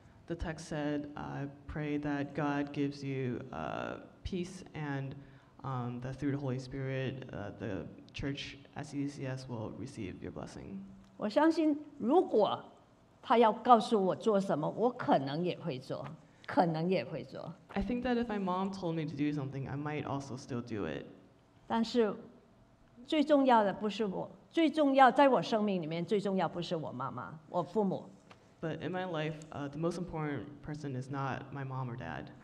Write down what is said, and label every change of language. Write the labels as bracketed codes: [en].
[en] The text said, I pray that God gives you peace and that through the Holy Spirit, the church at CDCS will receive your blessing. [zh] 我相信如果她要告诉我做什么，我可能也会做。 [en] I think that if my mom told me to do something, I might also still do it. [zh] 但是最重要的不是我，最重要在我生命里面最重要不是我妈妈，我父母。 [en] But in my life, the most important person is not my mom or dad.